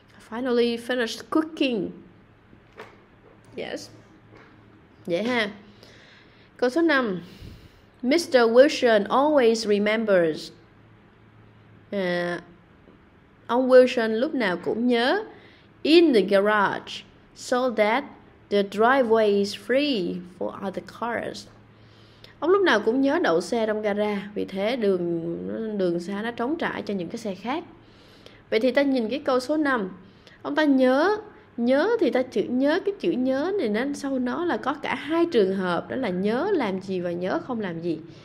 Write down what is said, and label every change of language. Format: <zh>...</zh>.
<en>Finally finished cooking. Yes.</en> <vi>Dễ ha. Câu số 5.</vi> <en>Mr. Wilson always remembers.</en> <vi>Ông Wilson lúc nào cũng nhớ.</vi> <en>In the garage, so that the driveway is free for other cars.</en> <vi>Ông lúc nào cũng nhớ đậu xe trong gara, vì thế đường xa nó trống trải cho những cái xe khác. Vậy thì ta nhìn cái câu số 5. Ông ta nhớ, nhớ thì ta chữ nhớ, cái chữ nhớ này nên sau nó là có cả hai trường hợp, đó là nhớ làm gì và nhớ không làm gì.</vi>